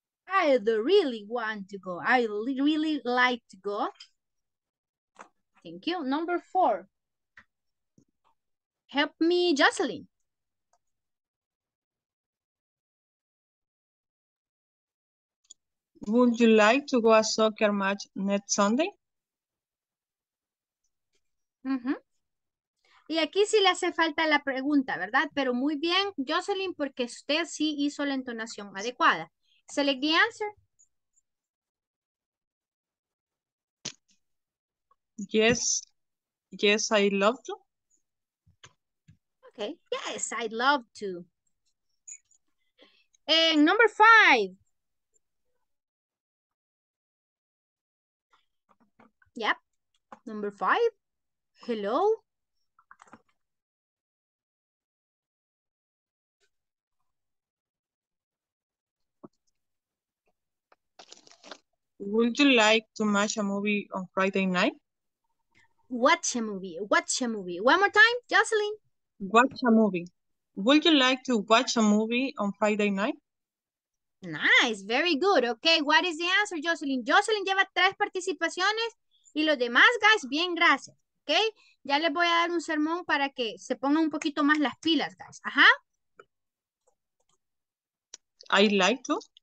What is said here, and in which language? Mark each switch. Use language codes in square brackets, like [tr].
[en] I'd really want to go. I really like to go. Thank you. Number four. Help me, Jocelyn. Would you like to go a soccer match next Sunday? Mm-hmm. [es] Y aquí sí le hace falta la pregunta, ¿verdad? Pero muy bien, Jocelyn, porque usted sí hizo la entonación adecuada. [en] Select the answer. Yes, I'd love to. Okay, yes, I'd love to. And number five. Yep, number five. Hello. Would you like to watch a movie on Friday night? Watch a movie. Watch a movie. One more time, Jocelyn. Watch a movie. Would you like to watch a movie on Friday night? Nice. Very good. Okay. What is the answer, Jocelyn? [es] Jocelyn lleva tres participaciones y los demás, guys, bien, gracias. Okay. Ya les voy a dar un sermón para que se pongan un poquito más las pilas, guys. Ajá. [en] I'd like to.